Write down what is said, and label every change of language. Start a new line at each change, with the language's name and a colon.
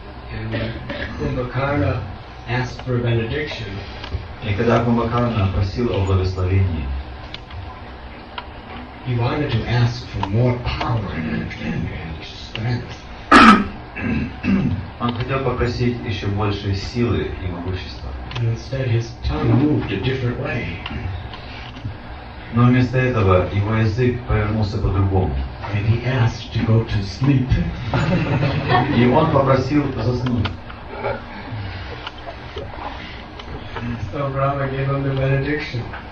English: And Kumbhakarna asked for a benediction.
Russian: И когда Кумбхакарна просил о благословении,
English: he wanted to ask for more power and strength.
Russian: Он хотел попросить еще больше силы и могущества.
English: And instead his tongue moved a different way.
Russian: Но вместо этого его язык повернулся по-другому.
English: And he asked to go to sleep.
Russian: И он попросил заснуть.
English: So Rama gave him the benediction.